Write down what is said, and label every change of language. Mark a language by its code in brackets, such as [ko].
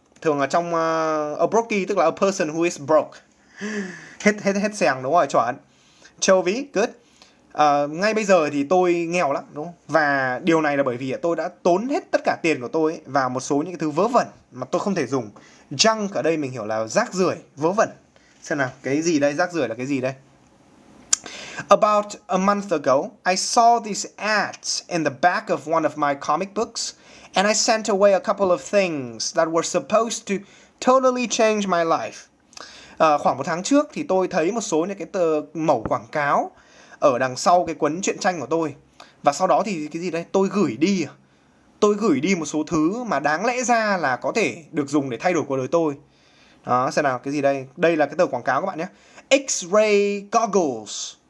[vi] Thường là trong a brokey tức là [en] a person who is broke. [vi] Hết hết hết sàng đúng rồi, chuẩn. Châu ví, good. Ngay bây giờ thì tôi nghèo lắm, đúng không? Và điều này là bởi vì tôi đã tốn hết tất cả tiền của tôi vào một số những cái thứ vớ vẩn mà tôi không thể dùng. Junk ở đây mình hiểu là rác rưởi, vớ vẩn. Xem nào, cái gì đây, rác rưởi là cái gì đây? [en] About a month ago, I saw these ads in the back of one of my comic books, and I sent away a couple of things that were supposed to totally change my life. [vi] Khoảng một tháng trước thì tôi thấy một số những cái tờ mẫu quảng cáo ở đằng sau cái cuốn truyện tranh của tôi. Và sau đó thì cái gì đây? Tôi gửi đi một số thứ mà đáng lẽ ra là có thể được dùng để thay đổi cuộc đời tôi. Đó, xem nào, cái gì đây? Đây là cái tờ quảng cáo các bạn nhé. X-ray goggles.